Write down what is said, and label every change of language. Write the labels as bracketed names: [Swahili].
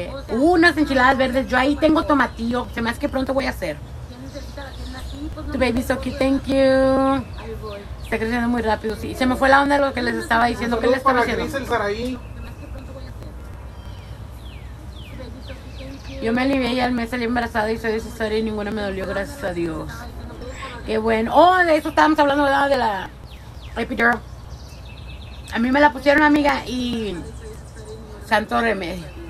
[Spanish] Unas enchiladas verdes. Yo ahí tengo tomatillo. Se me hace que pronto voy a hacer. [English] Tu baby so cute, thank you. [Spanish] Está creciendo muy rápido, sí. Se me fue la onda de lo que les estaba diciendo. ¿Qué les estaba diciendo? Yo me alivié y al mes salí embarazada y soy de cesárea y ninguna me dolió, gracias a Dios. Qué bueno. Oh, de eso estábamos hablando, ¿verdad? De la epidural. A mí me la pusieron, amiga, y... Santo remedio.